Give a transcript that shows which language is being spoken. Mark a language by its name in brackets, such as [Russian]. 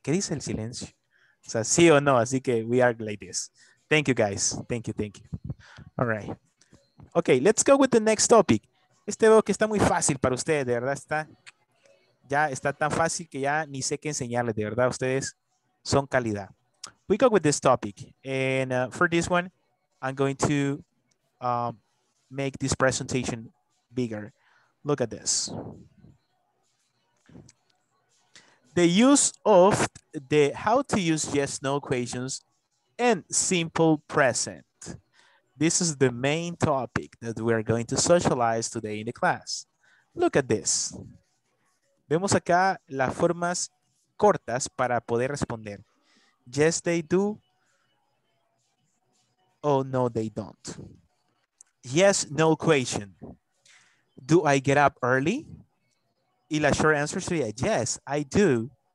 [Spanish] ¿Qué dice el silencio? O sea, sí o no, así que [English] we are like this. Thank you, guys. Thank you, thank you. All right. Okay, let's go with the next topic. [Spanish] Este veo que está muy fácil para ustedes, de verdad está. Ya está tan fácil que ya ni sé qué enseñarles, de verdad. Ustedes son calidad. [English] We go with this topic. And for this one, I'm going to make this presentation bigger. Look at this. The use of the how to use yes, no equations and simple present. This is the main topic that we are going to socialize today in the class. Look at this. [Spanish] Vemos acá las formas cortas para poder responder. [English] Yes, they do. Oh, no, they don't. Yes, no equation. Do I get up early? [Spanish] Y la [English] short answer [Spanish] sería, [English] yes, I do.